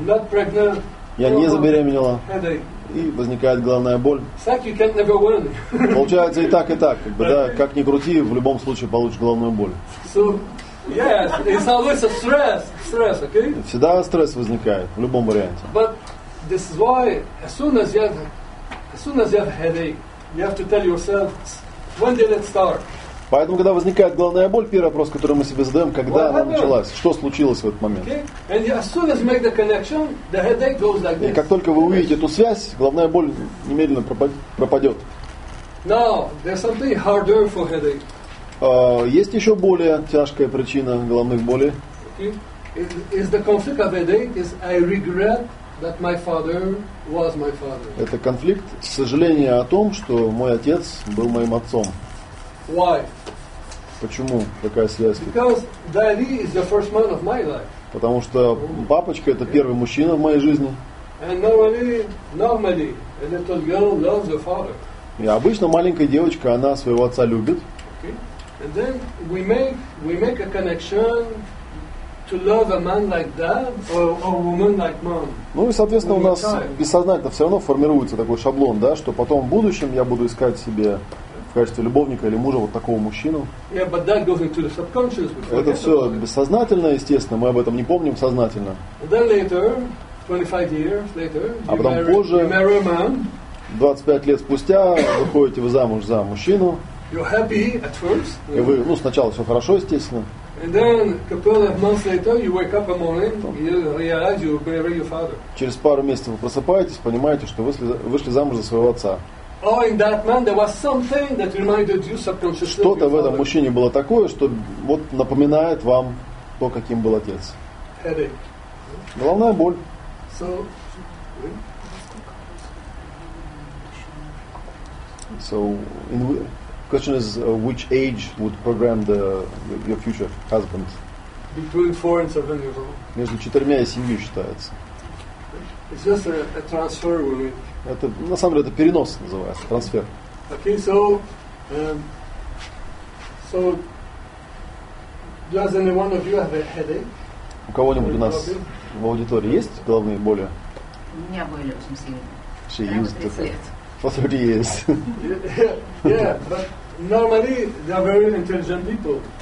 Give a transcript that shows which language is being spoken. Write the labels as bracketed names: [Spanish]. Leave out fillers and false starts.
[English] not pregnant. [Russian] Я не забеременела, [English] headache. [Russian] И возникает головная боль. [English] It's like you can't never win. [Russian] Получается и так, как бы, да, как ни крути, в любом случае получишь головную боль. [English] So, yes, it's always a stress, okay? [Russian] Всегда стресс возникает, в любом варианте. [English] But this is why, as soon as you have headache, you have to tell yourself, when did it start? [Russian] Поэтому, когда возникает головная боль, первый вопрос, который мы себе задаем, когда она началась, что случилось в этот момент. И как только вы увидите эту связь, головная боль немедленно пропадет. [English] Now, there's something harder for headache. [Russian] Есть еще более тяжкая причина головных болей. [English] Is the conflict of headache is I regret that my father was my father. [Russian] Это конфликт, сожаление о том, что мой отец был моим отцом. [English] Why? [Russian] Почему такая связь? [English] Because daddy is the first man of my life. [Russian] Потому что папочка это первый мужчина в моей жизни. [English] And normally, a little girl loves her father. [Russian] И обычно маленькая девочка она своего отца любит. [English] Okay. And then we make a connection to love a man like dad or a woman like mom. [Russian] Ну и соответственно у нас бессознательно все равно формируется такой шаблон, да, что потом в будущем я буду искать себе в качестве любовника или мужа вот такого мужчину. [English] Yeah, but that goes into the subconscious. [Russian] Это все бессознательно, естественно, мы об этом не помним сознательно. [English] And then later, 25 years later, [Russian] а потом позже, [English] you marry a man. [Russian] 25 лет спустя, выходите вы замуж за мужчину. [English] You're happy at first. Yeah. [Russian] И вы, ну, сначала все хорошо, естественно. [English] And then, a couple of months later, you wake up a morning, you realize you marry your father. [Russian] Через пару месяцев вы просыпаетесь, понимаете, что вы вышли замуж за своего отца. [English] Oh, in that man there was something that reminded you subconsciously. [Russian] Что-то в этом мужчине было такое, что вот напоминает вам то, каким был отец. [English] Headache. [Russian] Головная боль. [English] So in question is which age would program your future husband? Between 4 and 7 years old. [Russian] Между 4 и 7 считается. [English] It's just a transfer we make. [Russian] Это на самом деле это перенос называется, трансфер. [English] Okay, so does anyone of you have a headache? [Russian] У кого-нибудь у нас в аудитории есть головные боли? У меня были, в смысле. [English] She used to say it. For 30 years. Yeah, but normally they are very intelligent people.